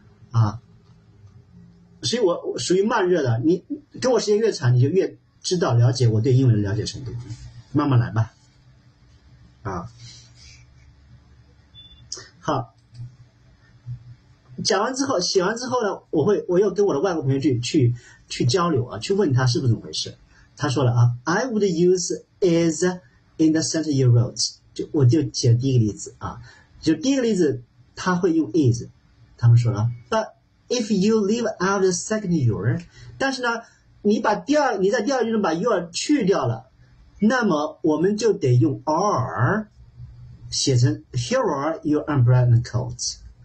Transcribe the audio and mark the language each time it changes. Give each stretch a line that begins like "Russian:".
Chinese: 啊，所以我属于慢热的，你跟我时间越长你就越知道了解我对英文的了解程度，慢慢来吧。啊，好，讲完之后，写完之后呢，我又跟我的外国朋友去交流啊，去问他是不是怎么回事。他说了啊
English: ，I would use is in the sentence you wrote。
Chinese: 我就写第一个例子啊，就第一个例子他会用 is。他们说了 ，
English: But if you leave out the second your，
Chinese: 但是呢，你在第二句中把 your 去掉了，那么我们就得用 are 写成
English: Here are your umbrella and coat。